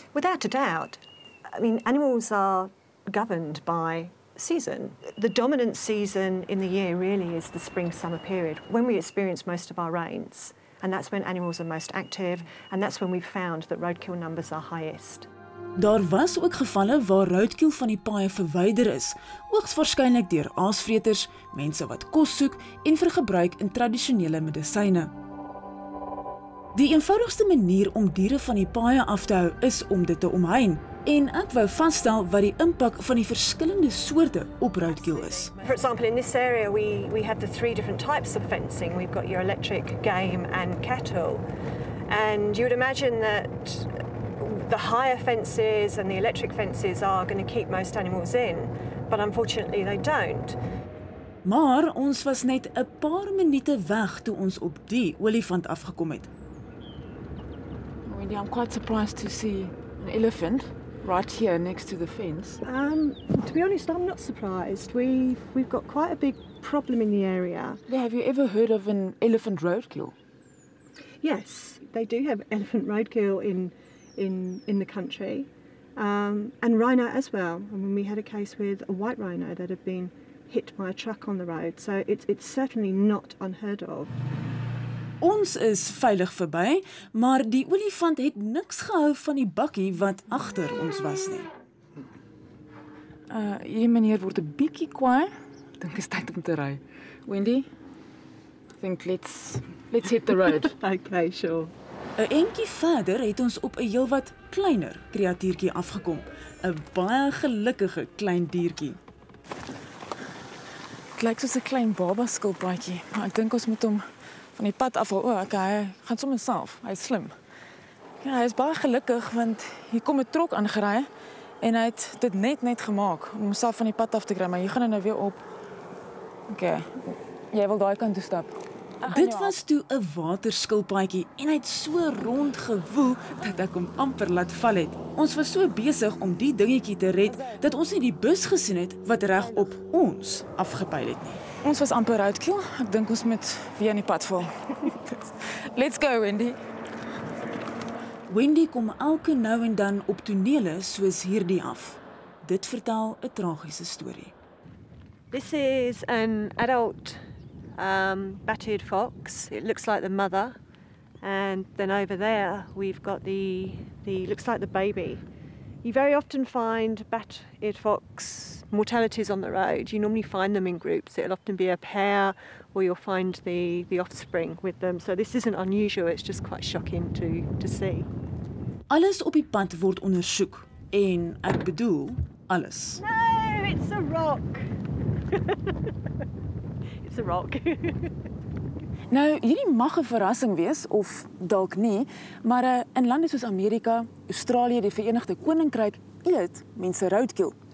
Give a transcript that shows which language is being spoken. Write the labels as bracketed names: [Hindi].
[English] Without a doubt. I mean, animals are governed by season. The dominant season in the year really is the spring-summer period, when we experience most of our rains. And that's when animals are most active, and that's when we've found that roadkill numbers are highest. [Afrikaans] Daar was ook gevalle waar roadkill van die paaie verwyder is, hoogs waarskynlik deur aasvreters, mense wat kos soek en vir gebruik in tradisionele medisyne. Die eenvoudigste manier om diere van die paaie af te hou is om dit te omhein. En ek wou vaststel wat die impak van die verskillende soorte op roadkill is. [English] For example, in this area we have the three different types of fencing. We've got your electric, game and cattle. And you would imagine that the higher fences and the electric fences are going to keep most animals in, but unfortunately they don't. [Afrikaans] Maar ons was net 'n paar minute weg toe ons op die olifant afgekom het. [English] Wendy, I'm quite surprised to see an elephant right here next to the fence. To be honest, I'm not surprised. We've got quite a big problem in the area. Yeah, have you ever heard of an elephant roadkill? Yes, they do have elephant roadkill in the country, and rhino as well. I mean, we had a case with a white rhino that had been hit by a truck on the road, so it's certainly not unheard of. [Afrikaans] Ons is veilig verby, maar die olifant het niks gehou van die bakkie wat agter ons was nie. Hier meneer word 'n bietjie kwaai. Dink is tyd om te ry. [English] Wendy, think let's hit the road. Okay, sure. [Afrikaans] 'N eentjie verder het ons op 'n heelwat kleiner kreatuurtjie afgekom. 'N Baie gelukkige klein diertjie. Dit lyk soos 'n klein baba skilpaadjie, maar ek dink ons moet hom van die pad afhaal. O, okay, hy gaan sommer self. Hy is slim. Ja, hy is baie gelukkig want hier kom 'n trok aangery en hy het dit net gemaak om homself van die pad af te kry, maar hier gaan hy nou weer op. Okay. Jy wil daai kant toe stap. Dit was toe 'n waterskilpaadjie en hy het so rond gewoel dat ek hom amper laat val het. Ons was so besig om die dingetjie te red dat ons nie die bus gesien het wat reg op ons afgepyl het nie. Ons was amper roadkill. Ek dink ons moet weer in die pad val. Let's go, Wendy. Wendy kom elke nou en dan op tonele soos hierdie af. Dit vertel 'n tragiese storie. [English] This is an adult bat-eared fox. It looks like the mother. And then over there we've got the looks like the baby. You very often find bat-eared fox mortalities on the road. You normally find them in groups. It'll often be a pair, or you'll find the offspring with them. So this isn't unusual, it's just quite shocking to see. [Afrikaans] Alles op die pad word ondersoek. En ek bedoel alles. [English] No, it's a rock. It's a rock. [Afrikaans] Nou, hierdie mag 'n verrassing wees of dalk nie, maar in lande soos Amerika, Australië, die Verenigde Koninkryk eet mense roadkill.